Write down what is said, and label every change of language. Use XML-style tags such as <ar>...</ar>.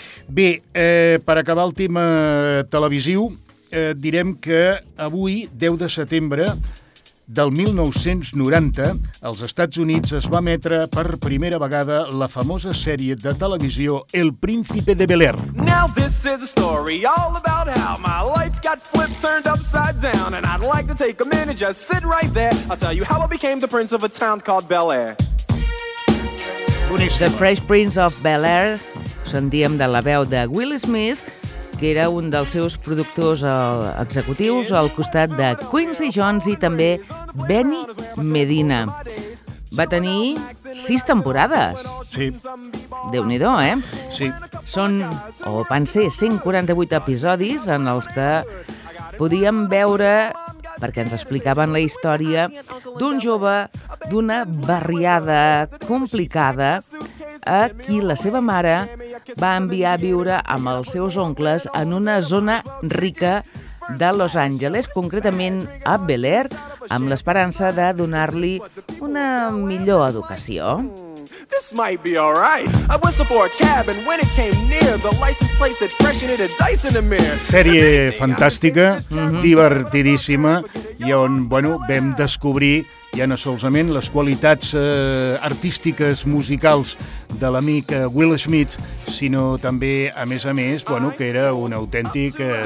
<ca>Bé, per acabar el tema televisiu, direm que avui, 10 de setembre del 1990, als Estats Units es va emetre per primera vegada la famosa sèrie de televisió El Príncipe de Bel-Air.</ca> <en>Now this is a story all about how my life got flipped, turned upside down, and I'd like to take a minute, just sit right there, I'll tell you how I became the prince of a town called Bel-Air.</en> <ca>Boníssima. The Fresh Prince of Bel-Air, sentíem de la veu de Will Smith, que era un dels seus productors executius al costat de Quincy Jones i també Benny Medina. Va tenir 6 temporades. Sí. Déu-n'hi-do, eh? Sí. Són, o van ser, 148 episodis en els que podíem veure, perquè ens explicaven la història, d'un jove d'una barriada complicada a qui la seva mare va enviar a viure amb els seus oncles en una zona rica de Los Angeles, concretament a Bel Air, amb l'esperança de donar-li una millor educació.</ca> <en>This might be all right. I whistled for a cab and when it came near, the license plate said freshen it a dice in the mirror.</en> <ca>Sèrie fantàstica, divertidíssima, i on, bueno, vam descobrir ja no solament les qualitats artístiques, musicals de l'amic Will Smith, sinó també, a més, bueno, que era un autèntic</ca>